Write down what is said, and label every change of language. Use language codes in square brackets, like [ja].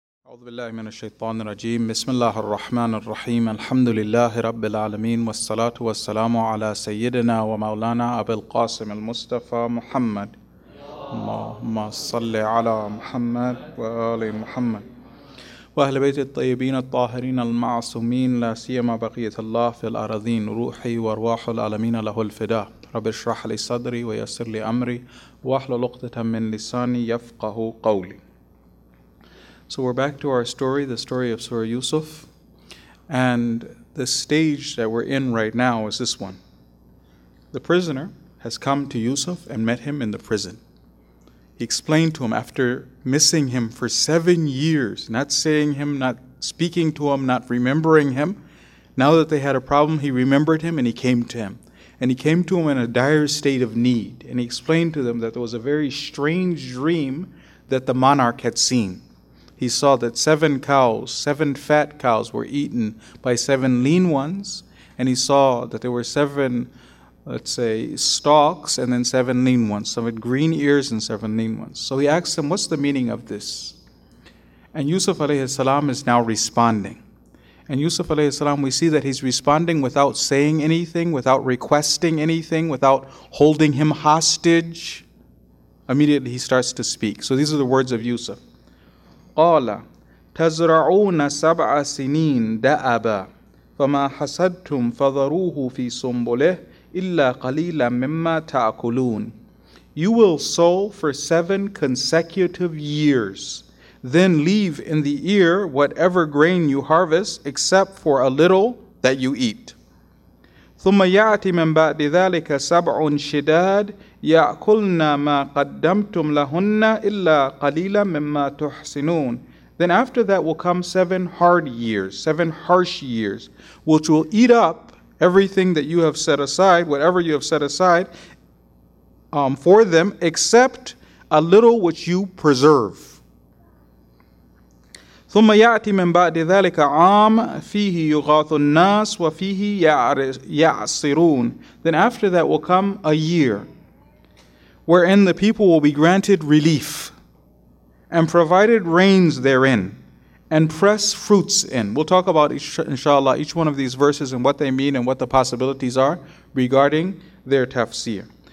[ar] أعوذ بالله من الشيطان الرجيم بسم الله الرحمن الرحيم الحمد لله رب العالمين والصلاة والسلام على سيدنا ومولانا أبي القاسم المصطفى محمد اللهم صل على محمد وآل محمد وأهل بيت الطيبين الطاهرين المعصومين لا سيما بقية الله في الأرضين روحي وأرواح العالمين له الفداء رب اشرح لي صدري ويسر لي أمري واحلل عقدة من لساني يفقه قولي. [en] So we're back to our story, the story of Surah Yusuf. And the stage that we're in right now is this one. The prisoner has come to Yusuf and met him in the prison. He explained to him after missing him for 7 years, not seeing him, not speaking to him, not remembering him. Now that they had a problem, he remembered him and he came to him. And he came to him in a dire state of need. And he explained to them that there was a very strange dream that the monarch had seen. He saw that 7 fat cows were eaten by 7 lean ones, and he saw that there were 7 stalks and then 7 lean ones, some with green ears and 7 lean ones. So he asked him, what's the meaning of this? And Yusuf alayhi salam is now responding. And Yusuf alayhi salam, we see that he's responding without saying anything, without requesting anything, without holding him hostage. Immediately he starts to speak. So these are the words of Yusuf. [ar] قال تزرعون 7 سنين دأبا فما حصدتم فذروه في سنبله إلا قليلا مما تأكلون. [en] You will sow for 7 consecutive years, then leave in the ear whatever grain you harvest except for a little that you eat. [ar] ثم يأتي من بعد ذلك 7 شداد يأكلن ما قدمتم لهن إلا قليلا مما تحسنون. [en] Then after that will come 7 harsh years, which will eat up everything that you have set aside, whatever you have set aside for them, except a little which you preserve. [ar] ثم يأتي من بعد ذلك عام فيه يغاث الناس وفيه يعصرون. [en] Then after that will come a year wherein the people will be granted relief and provided rains therein and pressed fruits in. We'll talk about, inshallah, each one of these verses and what they mean and what the possibilities are regarding their tafsir.